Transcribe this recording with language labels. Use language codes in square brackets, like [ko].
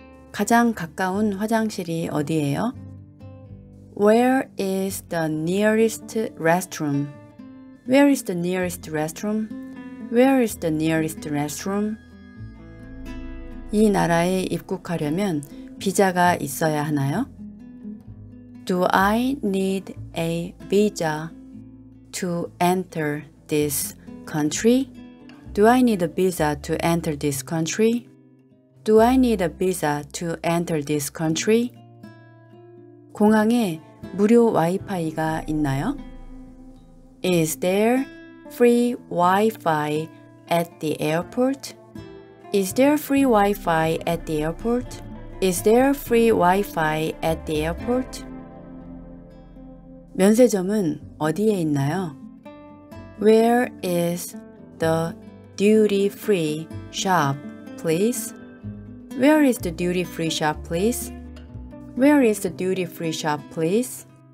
[ko] 가장 가까운 화장실이 어디예요? [en] Where is the nearest restroom? Where is the nearest restroom? Where is the nearest restroom? [ko] 이 나라에 입국하려면 비자가 있어야 하나요? [en] Do I need a visa to enter this country? Do I need a visa to enter this country? Do I need a visa to enter this country? [ko] 공항에 무료 와이파이가 있나요? [en] Is there free Wi-Fi at the airport? Is there free Wi-Fi at the airport? Is there free Wi-Fi at the airport? [ko] 면세점은 어디에 있나요? [en] Where is the duty-free shop, please? Where is the duty-free shop, please? Where is the duty-free shop, please?